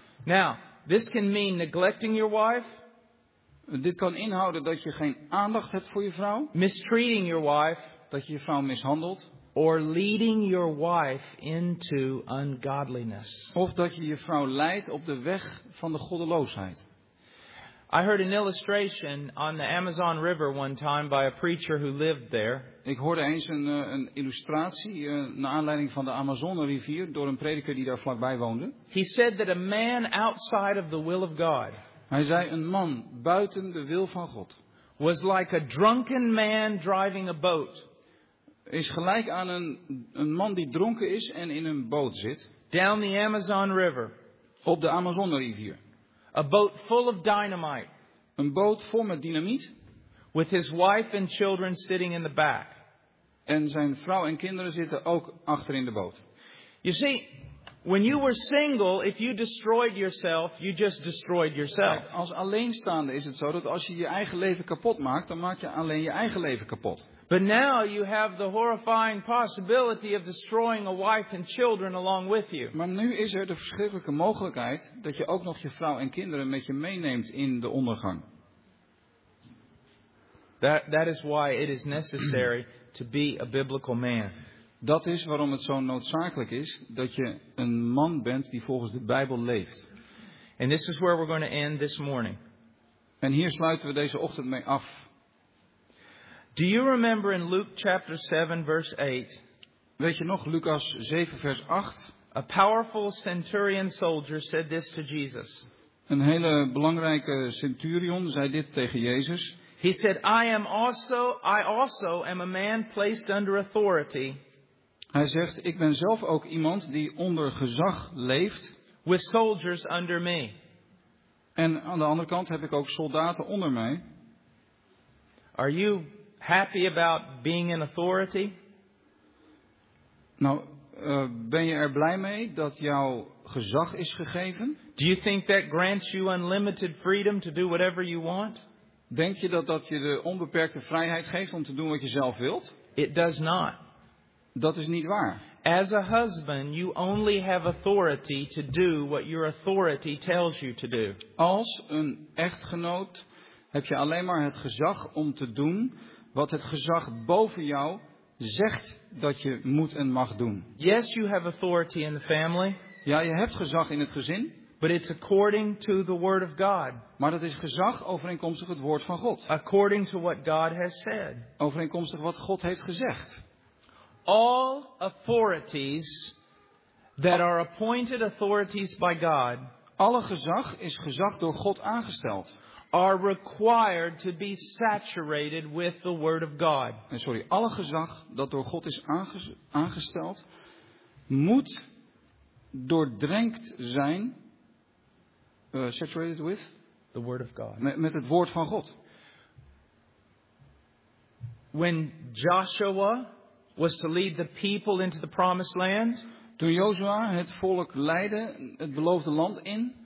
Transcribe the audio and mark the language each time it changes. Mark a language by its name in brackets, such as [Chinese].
[English] Now, this can mean neglecting your wife. [Dutch] Dit kan inhouden dat je geen aandacht hebt voor je vrouw. [English] Mistreating your wife. [Dutch] Dat je je vrouw mishandelt. [English] Or leading your wife into ungodliness. [Dutch] Of dat je je vrouw leidt op de weg van de goddeloosheid. [English] I heard an illustration on the Amazon River one time by a preacher who lived there. [Dutch] Ik hoorde eens een illustratie naar aanleiding van de Amazone rivier door een prediker die daar vlakbij woonde. [English] He said that a man outside of the will of God. [Dutch] Hij zei een man buiten de wil van God. [English] Was like a drunken man driving a boat. [Dutch] Is gelijk aan een man die dronken is en in een boot zit. [English] Down the Amazon River. [Dutch] Op de Amazone rivier. [English] A boat full of dynamite. [Dutch] Een boot vol met dynamiet. [English] With his wife and children sitting in the back. [Dutch] En zijn vrouw en kinderen zitten ook achter in de boot. [English] You see, when you were single, if you destroyed yourself, you just destroyed yourself. [Dutch] Kijk, als alleenstaande is het zo dat als je je eigen leven kapot maakt, dan maak je alleen je eigen leven kapot. [English] But now you have the horrifying possibility of destroying a wife and children along with you. [Dutch] Maar nu is er de verschrikkelijke mogelijkheid dat je ook nog je vrouw en kinderen met je meeneemt in de ondergang. [English] That is why it is necessary to be a biblical man. [Dutch] Dat is waarom het zo noodzakelijk is dat je een man bent die volgens de Bijbel leeft. [English] And this is where we're going to end this morning. [Dutch] En hier sluiten we deze ochtend mee af. [English] Do you remember in Luke chapter 7 verse 8? [Dutch] Weet je nog Lucas 7 vers 8? [English] A powerful centurion soldier said this to Jesus. [Dutch] Een hele belangrijke centurion zei dit tegen Jezus. [English] He said, I also am a man placed under authority. [Dutch] Hij zegt, ik ben zelf ook iemand die onder gezag leeft. [English] With soldiers under me. [Dutch] En aan de andere kant heb ik ook soldaten onder mij. [English] Are you happy about being in authority? [Dutch] Nou, ben je er blij mee dat jouw gezag is gegeven? [English] Do you think that grants you unlimited freedom to do whatever you want? [Dutch] Denk je dat je de onbeperkte vrijheid geeft om te doen wat je zelf wilt? [English] It does not. [Dutch] Dat is niet waar. [English] As a husband, you only have authority to do what your authority tells you to do. [Dutch] Als een echtgenoot heb je alleen maar het gezag om te doen wat het gezag boven jou zegt dat je moet en mag doen. [English] Yes, you have authority in the family. [Dutch] Ja, je hebt gezag in het gezin. [English] But it's according to the word of God. [Dutch] Maar dat is gezag overeenkomstig het woord van God. [English] According to what God has said. [Dutch] Overeenkomstig wat God heeft gezegd. [English] All authorities that are appointed authorities by God. [Dutch] Alle gezag is gezag door God aangesteld. [English] Are required to be saturated with the word of God. [Dutch] En sorry, alle gezag dat door God is aangesteld moet doordrenkt zijn [English] saturated with the word of God. [Dutch] Met het woord van God. [English] When Joshua was to lead the people into the promised land, [Dutch] toen Joshua het volk leidde het beloofde land in.